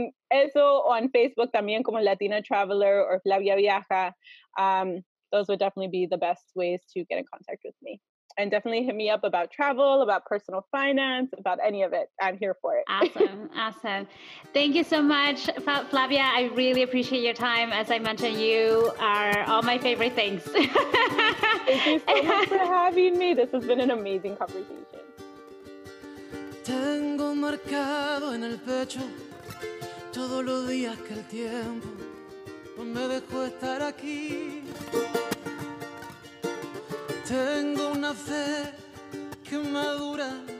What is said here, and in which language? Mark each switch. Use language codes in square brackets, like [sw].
[es] Eso, o en Facebook también como Latina Traveler o Flavia Viaja. [en] Those would definitely be the best ways to get in contact with me. And definitely hit me up about travel, about personal finance, about any of it. I'm here for it. Awesome. Thank you so much, Flavia. I really appreciate your time. As I mentioned, you are all my favorite things. Thank you so much for having me. This has been an amazing conversation. [es] Tengo marcado en el pecho todos los días que el tiempo me dejó estar aquí. Tengo una fe que madura